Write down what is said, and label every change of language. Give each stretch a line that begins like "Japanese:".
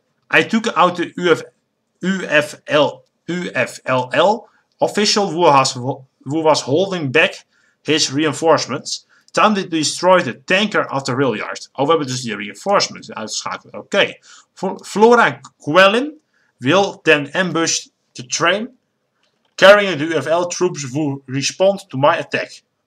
English: I took out the UFLL official who was holding back his reinforcements. Time to destroy the tanker of the rail yard.
Dutch: Oh, we hebben dus die reinforcements uitgeschakeld. Oké.
English: Flora Quellen will then ambush the train carrying the UFL troops who respond to my attack.